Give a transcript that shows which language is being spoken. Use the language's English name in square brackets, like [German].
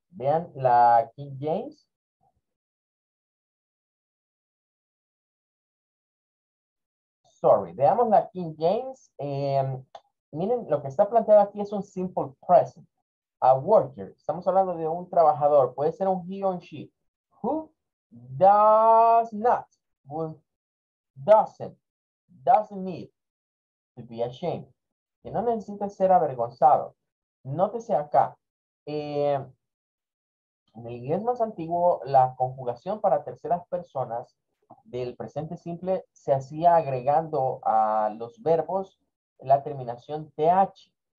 [Spanish] Vean la King James. Sorry, veamos la King James. Miren, lo que está planteado aquí es un simple present. [English] A worker. [Spanish] Estamos hablando de un trabajador. Puede ser un he o un she. [English] Who does not, doesn't need to be ashamed. [Spanish] Que no necesita ser avergonzado. Nótese acá. En el inglés más antiguo, la conjugación para terceras personas del presente simple se hacía agregando a los verbos la terminación th.